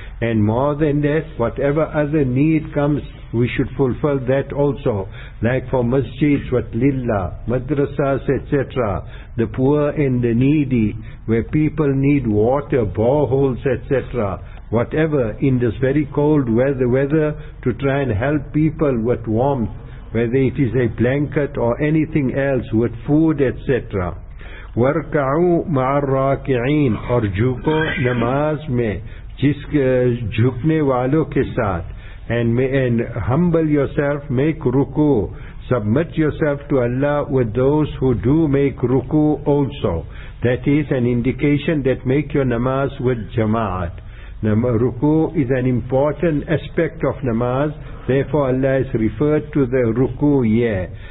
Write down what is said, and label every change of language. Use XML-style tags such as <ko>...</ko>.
<en>And more than that, whatever other need comes, we should fulfill that also, like for masjids with lillah, madrasas, etc., the poor and the needy, where people need water, boreholes, etc., whatever, in this very cold weather, to try and help people with warmth, whether it is a blanket or anything else, with food, etc.</en> <ar>وَرْكَعُوا مَعَ الرَّاكِعِينَ,</ar> <ur>اور جھکو نماز میں جس جھکنے والوں کے ساتھ.</ur> <en>And humble yourself, make ruku, submit yourself to Allah with those who do make ruku also. That is an indication that make your namaz with jama'at. Ruku is an important aspect of namaz, therefore Allah has referred to the ruku here.</en>